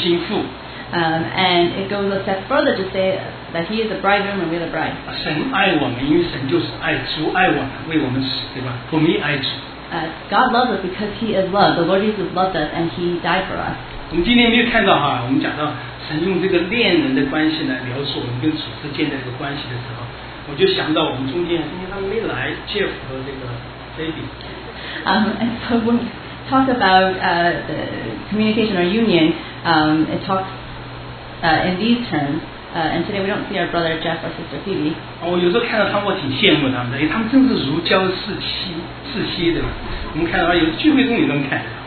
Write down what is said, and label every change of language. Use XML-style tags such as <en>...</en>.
<en>And it goes a step further to say that He is the bridegroom and we are the bride.</en> <zh>神爱我们，因为神就是爱，主爱我们，为我们死，对吧？我们爱主。</zh> <en>God loves us because He is love. The Lord Jesus loved us and He died for us.</en> <zh>我们今天没有看到哈，我们讲到神用这个恋人的关系呢，描述我们跟主之间的这个关系的时候，我就想到我们中间今天他们没来 ，Jeff 和这个 Baby。</zh> <en>And so when we talk about the communication or union, it talks in these terms. And today we don't see our brother Jeff or sister Phoebe.</en> <zh>我有时候看到他们，我挺羡慕他们的，因为他们真是如胶似漆的。我们看到有聚会中也能看。</zh>